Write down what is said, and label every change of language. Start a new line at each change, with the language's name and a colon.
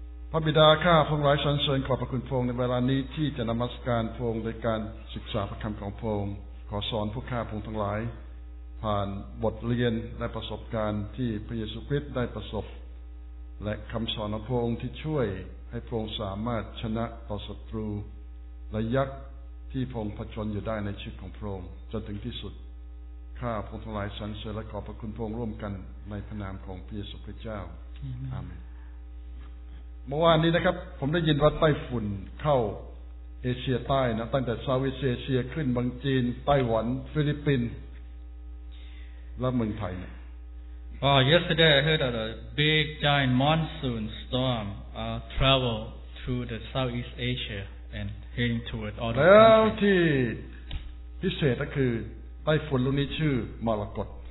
Thai: พระบิดาข้าพระองค์ไร้สรรเสริญขอบพระคุณพระองค์ในเวลานี้ที่จะนมัสการพระองค์ในการศึกษาพระคำของพระองค์ขอสอนพวกข้าพระองค์ทั้งหลายผ่านบทเรียนและประสบการณ์ที่พระเยซูคริสต์ได้ประสบและคำสอนของพระองค์ที่ช่วยให้พระองค์สามารถชนะต่อศัตรูและยักษ์ที่พระองค์ผจญอยู่ได้ในชีวิตของพระองค์จนถึงที่สุดข้าพระองค์ทั้งหลายสรรเสริญและขอบพระคุณพระองค์ร่วมกันในพระนามของพระเยซูคริสต์เจ้า อาเมน เมื่อวานนี้นะครับผมได้ยินว่าไต้ฝุ่นเข้าเอเชียใต้นะตั้งแต่ซาวิเซียขึ้นบางจีนไต้หวันฟิลิปปินส์และเมืองไทยเนี่ย
English: Yesterday I heard that a big giant monsoon storm travel through the Southeast Asia and heading toward all the
Thai: แล้วที่พิเศษก็คือไต้ฝุ่นลูกนี้ชื่อมรกต